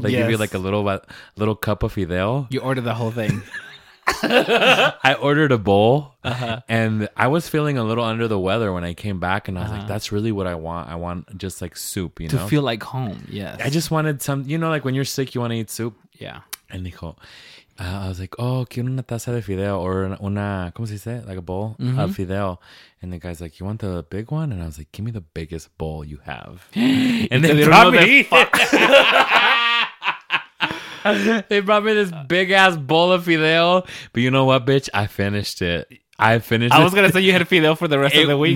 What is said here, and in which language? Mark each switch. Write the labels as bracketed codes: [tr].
[en] They give you like a little cup of fideo. You ordered the whole thing. I ordered a bowl and I was feeling a little under the weather when I came back, and I was like, that's really what I want. I want just like soup, you know? To feel like home. Yes. I just wanted some, you know, like when you're sick, you want to eat soup. Yeah. And [es] dijo, [en] I was like, oh, [es] quiero una taza de fideo, [en] or [es] una, ¿cómo se dice? [en] Like a bowl of fideo. And the guy's like, you want the big one? And I was like, give me the biggest bowl you have. And then they brought me this big ass bowl of fideo. But you know what, bitch? I finished it. I was going to say you had fideo for the rest of the week.